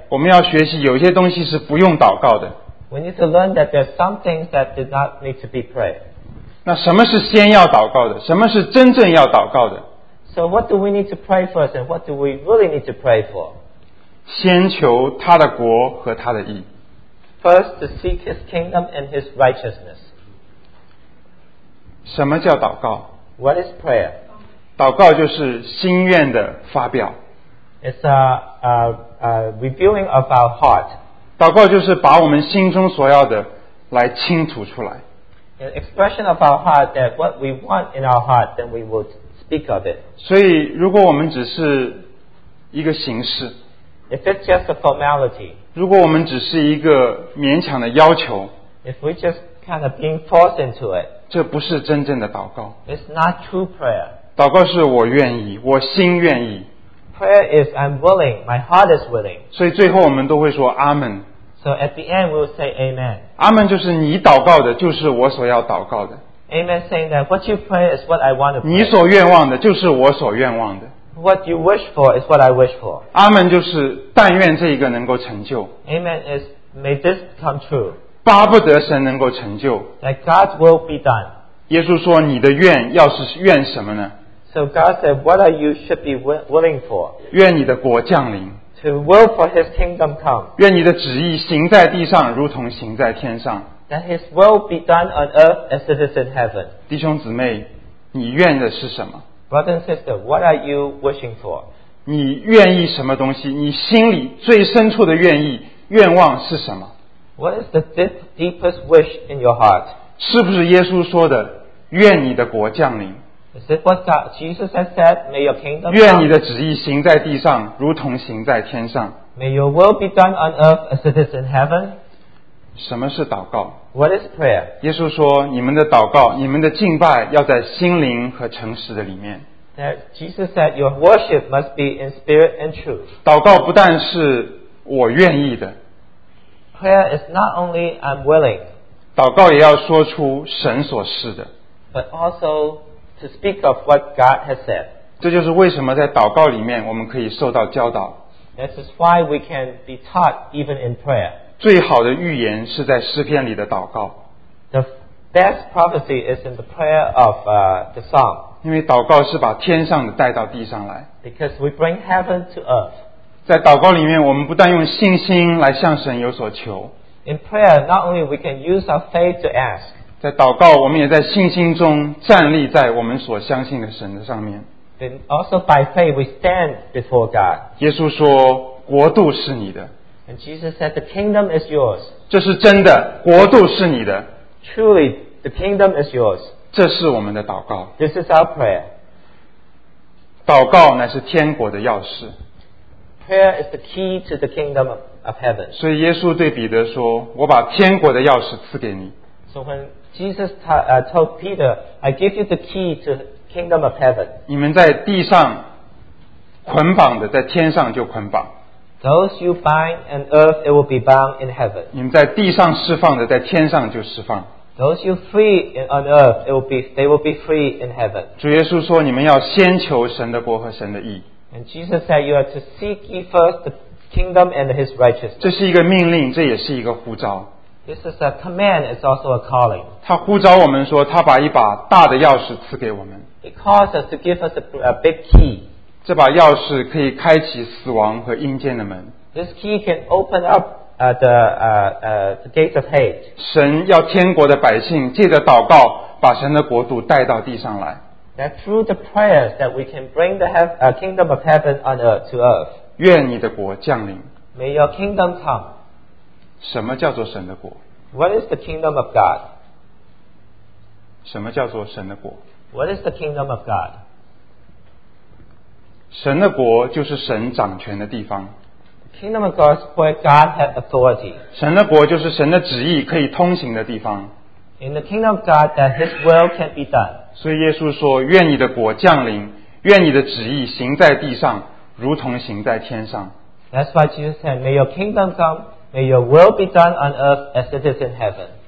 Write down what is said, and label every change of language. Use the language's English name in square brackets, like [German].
[Chinese] 我们要学习有一些东西是不用祷告的。 [English] We need to learn that there's some things that do not need to be prayed. [Chinese] 那什么是先要祷告的？什么是真正要祷告的 [English] ？So what do we need to pray first, and what do we really need to pray for? [Chinese] 先求他的国和他的义。 [English] First to seek his kingdom and his righteousness. [Chinese] 什么叫祷告 [English] ？What is prayer? [Chinese] 祷告就是心愿的发表。 [English] It's a revealing of our heart. [Chinese] 祷告就是把我们心中所要的来倾吐出来。 [English] An expression of our heart that what we want in our heart, then we will speak of it. [Chinese] 所以如果我们只是一个形式 [English] If it's just a formality. [Chinese] 如果我们只是一个勉强的要求 [English] If we just kind of being forced into it. [Chinese] 这不是真正的祷告 [English] It's not true prayer. [Chinese] 祷告是我愿意，我心愿意 [English] Prayer is I'm willing, my heart is willing. [Chinese] 所以最后我们都会说阿们 [English] So at the end, we'll say Amen. [Chinese] 阿们就是你祷告的，就是我所要祷告的。 [English] Amen, saying that what you pray is what I want to pray. [Chinese] 你所愿望的就是我所愿望的。 [English] What you wish for is what I wish for. [Chinese] 阿们就是但愿这一个能够成就。 [English] Amen is may this come true. [Chinese] 巴不得神能够成就。 [English] That God's will be done. [Chinese] 耶稣说你的愿要是愿什么呢 [English] ？So God said, what are you should be willing for? [Chinese] 愿你的国降临。 [English] To will for his kingdom come. [Chinese] 愿你的旨意行在地上，如同行在天上。 [English] That his will be done on earth as it is in heaven. [Chinese] 弟兄姊妹，你愿的是什么 [English] ？Brother and sister, what are you wishing for? [Chinese] 你愿意什么东西？你心里最深处的愿意、愿望是什么 [English] ？What is the deepest wish in your heart? [Chinese] 是不是耶稣说的，愿你的国降临？ [English] Is it what Jesus has said? May your kingdom come. [Chinese] 愿你的旨意行在地上，如同行在天上。 [English] May your will be done on earth as it is in heaven. [Chinese] 什么是祷告 [English] ？What is prayer? [Chinese] 耶稣说，你们的祷告，你们的敬拜，要在心灵和诚实的里面。 [English] That Jesus said, your worship must be in spirit and truth. [Chinese] 祷告不但是我愿意的。 [English] Prayer is not only I'm willing. [Chinese] 祷告也要说出神所示的。 [English] But also. To speak of what God has said. [Chinese] 这就是为什么在祷告里面我们可以受到教导。 [English] This is why we can be taught even in prayer. [Chinese] 最好的预言是在诗篇里的祷告。 [English] The best prophecy is in the prayer of the psalm. [Chinese] 因为祷告是把天上的带到地上来。 [English] Because we bring heaven to earth. [Chinese] 在祷告里面，我们不但用信心来向神有所求。 [English] In prayer, not only we can use our faith to ask. [Chinese] 在祷告，我们也在信心中站立在我们所相信的神的上面。 [English] Then also by faith we stand before God. [Chinese] 耶稣说，国度是你的。 [English] And Jesus said, the kingdom is yours. [Chinese] 这是真的，国度是你的。 [English] Truly, the kingdom is yours. [Chinese] 这是我们的祷告。 [English] This is our prayer. [Chinese] 祷告乃是天国的钥匙。 [English] Prayer is the key to the kingdom of heaven. [Chinese] 所以耶稣对彼得说，我把天国的钥匙赐给你。 [English] So when Jesus told Peter, I give you the key to kingdom of heaven. [Chinese] 你们在地上捆绑的，在天上就捆绑。 [English] Those you bind on earth, it will be bound in heaven. [Chinese] 你们在地上释放的，在天上就释放。 [English] Those you free on earth, they will be free in heaven. [Chinese] 主耶稣说，你们要先求神的国和神的义。 [English] And Jesus said, you are to seek ye first the kingdom and his righteousness. [Chinese] 这是一个命令，这也是一个呼召。 [English] This is a command, it's also a calling. [Chinese] 他呼召我们说，他把一把大的钥匙赐给我们。 [English] He calls us to give us a big key. [Chinese] 这把钥匙可以开启死亡和阴间的门。 [English] This key can open up the gates of hate. [Chinese] 神要天国的百姓借着祷告把神的国度带到地上来。 [English] That through the prayers that we can bring the kingdom of heaven on earth to earth. [Chinese] 愿你的国降临。 [English] May your kingdom come. [Chinese] 什么叫做神的国？ [English] What is the kingdom of God? [Chinese] 什么叫做神的国？ [English] What is the kingdom of God? [Chinese] 神的国就是神掌权的地方。 [English] Kingdom of God is where God has authority. [Chinese] 神的国就是神的旨意可以通行的地方。 [English] In the kingdom of God, that His will can be done. [Chinese] 所以耶稣说，愿你的国降临，愿你的旨意行在地上，如同行在天上。 [English] That's why Jesus said, May your kingdom come, may your will be done on earth as it is in heaven.